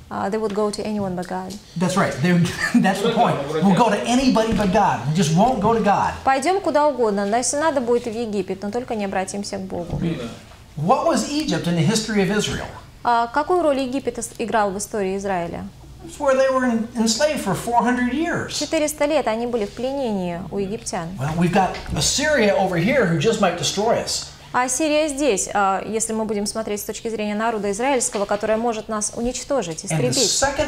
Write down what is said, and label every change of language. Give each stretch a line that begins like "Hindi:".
English: They would go to anyone but God. That's right. That's the point. We'll go to anybody but God. We just won't go to God.
Russian: Пойдем куда угодно, но если надо будет в Египет, но только не обратимся к Богу.
English: What was Egypt in the history of Israel?
Russian: Какую роль Египет играл в истории Израиля?
English: It's where they were enslaved for 400 years.
Russian: 400 лет они были в пленении у египтян.
English: Well, we've got Assyria over here who just might destroy us.
Russian: А Сирия здесь, если мы будем смотреть с точки зрения народа израильского, которая может нас уничтожить, истребить.